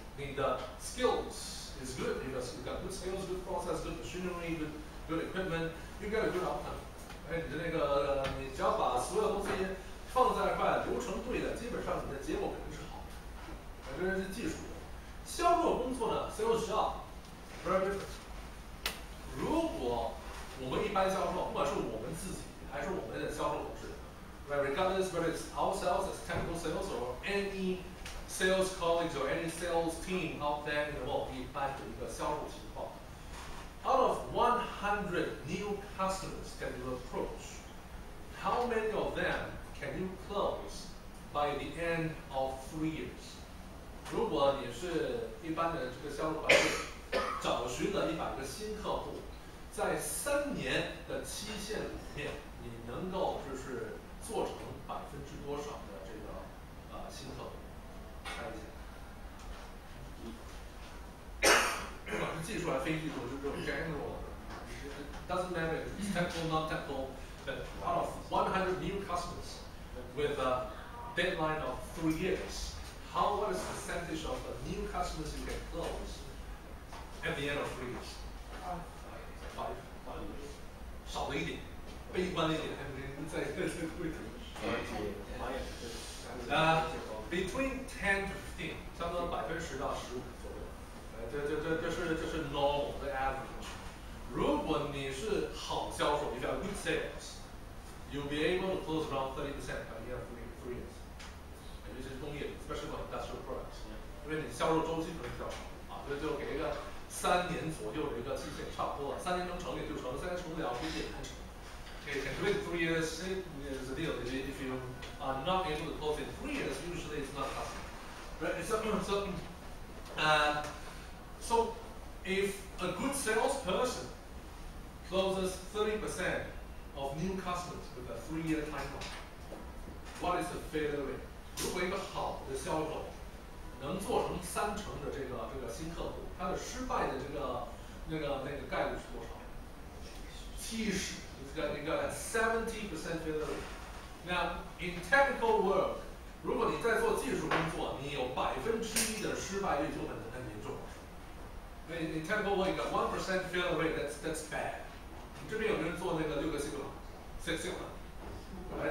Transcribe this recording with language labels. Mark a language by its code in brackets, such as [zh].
[en] 你的 skills is good because you got good skills, good process, good machinery, good equipment. You got a good outcome. [zh] 哎，你的那个，你只要把所有东西放在一块，流程对的，基本上你的结果肯定是好的。这是技术。销售工作呢 ， [en] sales job very different. [zh] 如果我们一般销售，不管是我们自己还是我们的销售同事 ， [en] regardless whether it's ourselves as technical sales or any。 Sales colleagues or any sales team out there in the world, [zh] 一般的一个销售情况。 [en] Out of 100 new customers that you approach, how many of them can you close by the end of 3 years? [zh] 如果你是一般的这个销售团队，找寻了100个新客户，在3年的期限里面，你能够就是做成多少的这个新客户？不管是技术还是非技术，就是 general 的 [en] ，it doesn't matter if it's technical not technical， but out of 100 new customers with a deadline of 3 years， how what is the percentage of the new customers you can close at the end of 3 years？ 5 [zh] 少了一点，悲观一点，还能再更会怎么？ [en] Between 10 to 15， [zh] 差不多10%到15%左右。这是 [en] normal 的 average。 [zh] 如果你是好销售，你叫 [en] good sales，you'll be able to close around 30% by the end of 3 years。 [zh] 尤其是工业， [en] especially for industrial products。 [zh] 因为你销售周期可能比较长啊，所以就给一个3年左右的一个期限，差不多了，3年能成也就成，3年成不了估计也太长。 [en] Okay, and with 3 years, the deal is if you are not able to close in 3 years, usually it's not possible. Right? So if a good salesperson closes 30% of new customers with a 3-year timeline, what is the failure rate? [zh] 如果一个好的销售能做成30%的这个新客户，他的失败的那个概率是多少？ [en] 70%, 70% failure rate. Now, in technical work, [zh] 如果你在做技术工作，你有1%的失败率就很严重。 [en] In technical work, you got 1% failure rate, that's bad. [zh] 你这边有人做那个6个西格玛 ,6 西格玛。